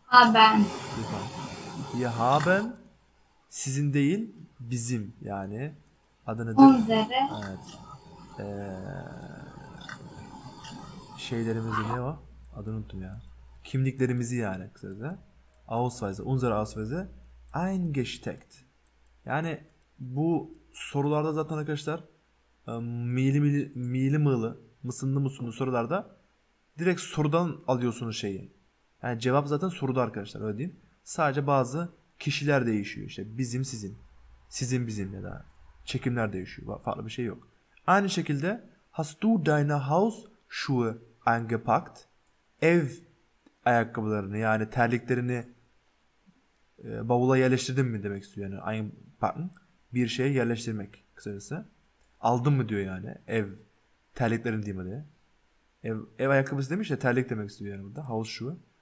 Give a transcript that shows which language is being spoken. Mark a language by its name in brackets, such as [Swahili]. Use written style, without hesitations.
[Turkish] Abi. ya haben sizin değil bizim yani adı nedir? [German] Unsere. [Turkish] Evet. Şeylerimizi ne o? Adını unuttum ya. Kimliklerimizi yani kısaca. [German] Ausweise, unsere Ausweise eingesteckt. [Turkish] Yani bu sorularda zaten arkadaşlar mili mılı, mısınlı mısınlı sorularda direkt sorudan alıyorsunuz şeyi. Yani cevap zaten soruda arkadaşlar öyle diyeyim. Sadece bazı kişiler değişiyor. İşte bizim sizin. Sizin bizim ya da çekimler değişiyor. Farklı bir şey yok. Aynı şekilde [German] hast du deine Hausschuhe eingepackt? [Turkish] Ev ayakkabılarını yani terliklerini bavula yerleştirdin mi demek istiyor. Yani eingepackt bir şeye yerleştirmek kısacası. Aldın mı diyor yani ev terliklerini diyeyim hadi. Ev ayakkabısı demiş de terlik demek istiyor yani burada. Hausschuhe.